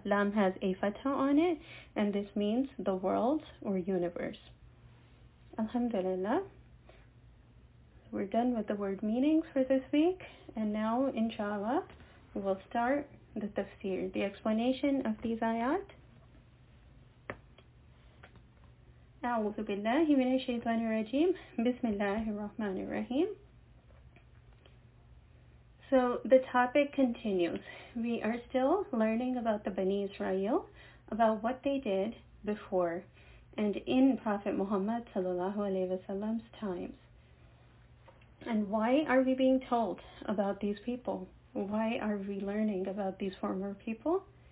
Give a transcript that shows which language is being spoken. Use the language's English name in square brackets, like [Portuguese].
[English] Lam has a fatah on it and this means the world or universe. Alhamdulillah. We're done with the word meanings for this week and now inshallah we'll start the tafsir, the explanation of these ayat. [Arabic] أعوذ بالله من الشيطان الرجيم بسم الله الرحمن الرحيم [English] So the topic continues. We are still learning about the Bani Israel, about what they did before and in Prophet Muhammad sallallahu alaihi wasallam's times. And why are we being told about these people? Why are we learning about these former people?